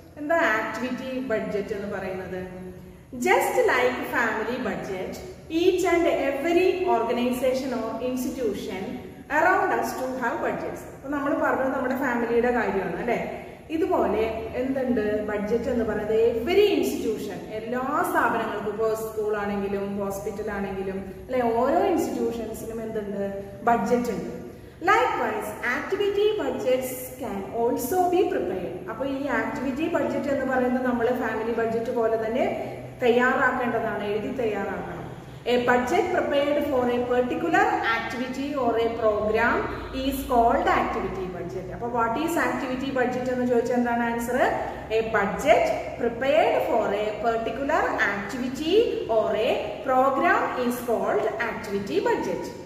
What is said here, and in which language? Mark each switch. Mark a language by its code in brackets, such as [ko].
[ml] എന്താ activity budget എന്ന് പറയുന്നത്? [en] Just like family budget, each and every organization or institution around as to have budgets. [ml] അപ്പോൾ നമ്മൾ പറഞ്ഞത് നമ്മുടെ ഫാമിലിയുടെ കാര്യമാണ് അല്ലേ. ഇതുപോലെ എന്തുണ്ട് ബഡ്ജറ്റ് എന്ന് പറയുന്നത്, എവരി ഇൻസ്റ്റിറ്റ്യൂഷൻ, എല്ലാ സ്ഥാപനങ്ങൾക്കും, ഇപ്പോൾ സ്കൂളാണെങ്കിലും ഹോസ്പിറ്റൽ ആണെങ്കിലും അല്ലെ, ഓരോ ഇൻസ്റ്റിറ്റ്യൂഷൻസിനും എന്തുണ്ട് ബഡ്ജറ്റ് ഉണ്ട്. [en] Likewise, activity budgets can also be prepared. [ml] അപ്പോൾ ഈ ആക്ടിവിറ്റി ബഡ്ജറ്റ് എന്ന് പറയുന്നത് നമ്മൾ ഫാമിലി ബഡ്ജറ്റ് പോലെ തന്നെ തയ്യാറാക്കേണ്ടതാണ്, എഴുതി തയ്യാറാക്കണം. [en] A budget prepared for a particular activity or a program is called activity budget. [ml] അപ്പോൾ വാട്ട് ഈസ് ആക്ടിവിറ്റി ബഡ്ജറ്റ് എന്ന് ചോദിച്ചാൽ എന്താണ് answer? [en] A budget prepared for a particular activity or a program is called activity budget.